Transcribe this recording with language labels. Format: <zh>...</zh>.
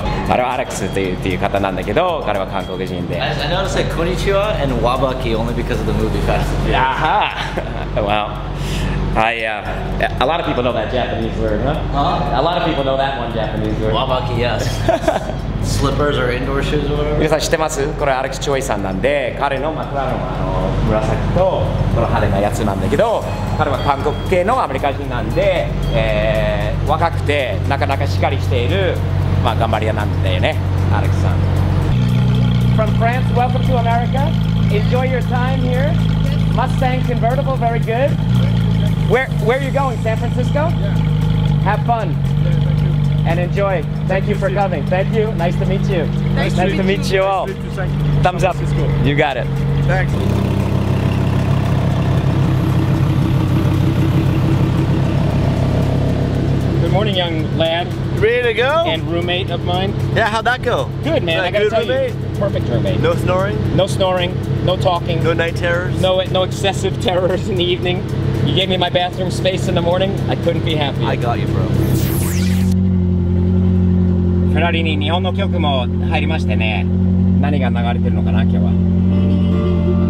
<ja>あれはアレックスという方なんだけど、彼は韓国人で。</ja> <en>I know to say こんにちは and わばき only because of the movie fast. Yeah. Well, a lot of people know that Japanese word, huh? A lot of people know that one Japanese word. わばき yes. Slippers or indoor shoes or whatever.</en> <ja>皆さん知ってます？これアレックスチョイさんなんで、彼のマクラの紫とこの派手なやつなんだけど、彼は韓国系のアメリカ人なんで、若くてなかなかしっかりしている。まあ、頑張り屋なんだよね、アレックスさん。</ja> <en>From France, welcome to America. Enjoy your time here. Yes. Mustang convertible, very good. Where are you going? San Francisco? Yeah. Have fun. Yeah, thank you. And enjoy. Thank you for coming. Thank you. Nice to meet you. Nice to meet you all. Thumbs up. You got it. Thanks. Good morning, young lad. You ready to go? And roommate of mine. Yeah, how'd that go? Good, man. I gotta tell you, perfect roommate. No snoring? No snoring. No talking. No night terrors? No excessive terrors in the evening. You gave me my bathroom space in the morning. I couldn't be happy. I got you, bro.</en> <ja>フェラリに日本の曲も入りましてね。何が流れてるのかな、今日は。</ja>